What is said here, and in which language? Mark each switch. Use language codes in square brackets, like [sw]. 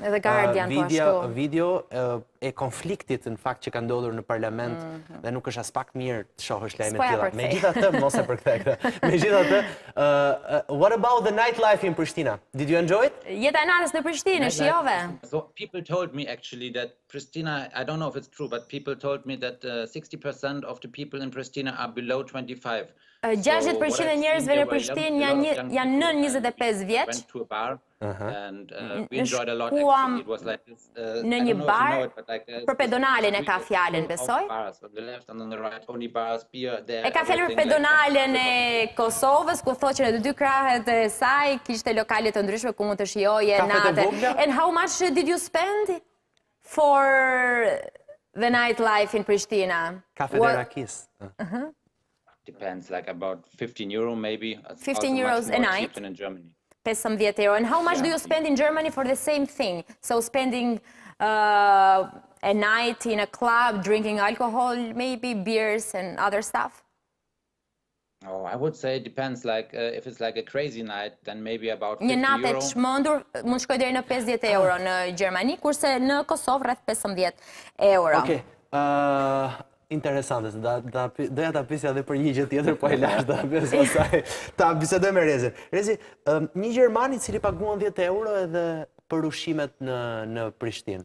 [sq] Edhe Guardian po ashtu. Video e konfliktit në fakt që ka ndodhur në parlament dhe nuk është as pak mirë të shohësh lajme të tilla. Megjithatë, mos e përkthej. Megjithatë, [en] what about the nightlife in Prishtina? Did you enjoy it? [sq] Jeta e natës në Prishtinë, shijove? [en] So people told me actually that Prishtina, I don't know if it's true, but people told me that 60% of the people in Prishtina are below 25. [sq] 60% e njerëzve në Prishtinë janë nën 25 vjeç. [en] And we enjoyed a lot. Actually, it was like this, [sq] në një bar, [en] you know it, like, [sq] për pedonalen e ka fjalën, besoj. E ka fjalën për pedonalen e Kosovës, ku thotë që në të dy krahët e saj kishte lokale të ndryshme ku mund të shijoje natë. [en] And how much did you spend for the nightlife in Pristina? [sq] Kafe dhe rakis. [en] Depends, like about 15 euro maybe. 15 euros a night. 15 euro. And how much do you spend in Germany for the same thing? So spending a night in a club, drinking alcohol, maybe beers and other stuff? Oh, I would say it depends. Like if it's like a crazy night, then maybe about 50 [sq] euro. Një natë të shmëndur mund shkoj deri në 50 euro në Gjermani, kurse në Kosovë rreth 15 euro. [en] Okay. [sq] Interesante, doja ta pyesja edhe për një gjë tjetër, po e lash ta pyes pastaj. Ta bisedoj me Rezin. Rezi, një gjerman i cili paguan 10 euro edhe për ushqimet në Prishtinë.